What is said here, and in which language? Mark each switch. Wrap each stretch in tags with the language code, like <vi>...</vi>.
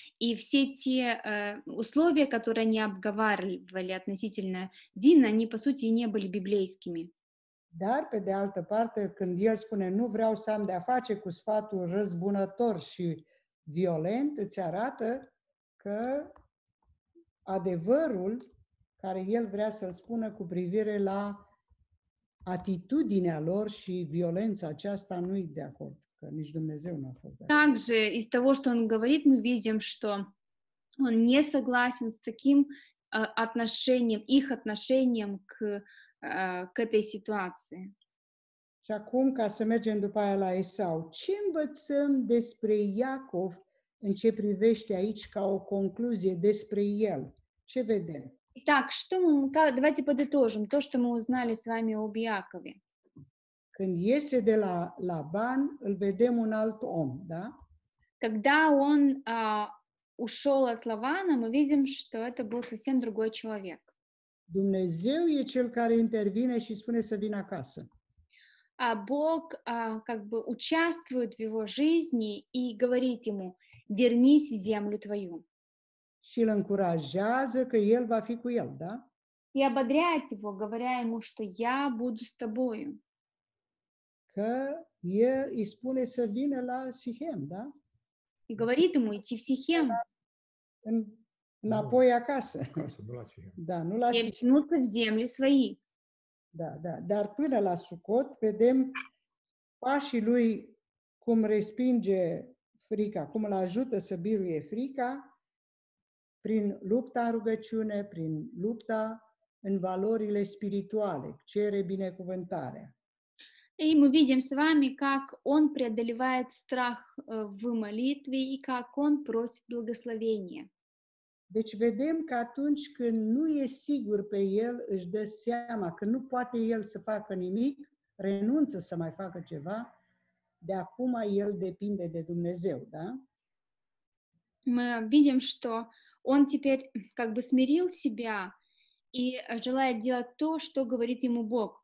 <ru>И все те условия, которые они обговаривали относительно Дины, они, по сути, не были библейскими.</ru> <ro>Dar, pe de altă parte, când el spune: «Nu vreau să am de-a face cu sfatul răzbunător și violent», îți arată că adevărul care el vrea să-l spună cu privire la atitudinea lor și violența aceasta nu-i de acord, că nici Dumnezeu nu a fost de acord.</ro> <ru>Также из того, что он говорит, мы видим, что он не согласен с таким отношением, их отношением к, к этой ситуации.</ru> <ro>Și acum, ca să mergem după aia la Esau, ce învățăm despre Iacov în ce privește aici ca o concluzie despre el? Ce vedem?</ro> <ru>Так, что мы, давайте подытожим то, что мы узнали с вами об Иакове.</ru> <ro>Când iese de la Laban, îl vedem un alt om, da?</ro> <ru>Когда он ушел от Лавана, мы видим, что это был совсем другой человек.</ru> <ro>Dumnezeu e cel care intervine și spune să vină acasă.</ro> <ru>А Бог как бы участвует в его жизни и говорит ему: вернись в землю твою.</ru> <ro>Și îl încurajează că el va fi cu el, da?</ro> <ru>И ободряет его, говоря ему, что я буду с тобою.</ru> <ro>Că el îi spune să vină la Sihem, da?</ro> <ru>И говорит ему идти в Сихем.</ru> <ro>În Înapoi acasă. Da, nu la Sihem. În</ro> <ru>zemle svoi.</ru> <ro>Da, da. Dar până la Sucot vedem pașii lui cum respinge frica, cum îl ajută să biruie frica prin lupta în rugăciune, prin lupta în valorile spirituale, cere binecuvântarea.</ro> <ru>И мы видим с вами, как он преодолевает страх в молитве и как он просит благословения.</ru> <ro>Deci vedem că atunci când nu e sigur pe el, își dă seama că nu poate el să facă nimic, renunță să mai facă ceva, de acum el depinde de Dumnezeu, da?</ro> <ru>Мы видим, что он теперь как бы смирил себя и желает делать то, что говорит ему Бог.</ru>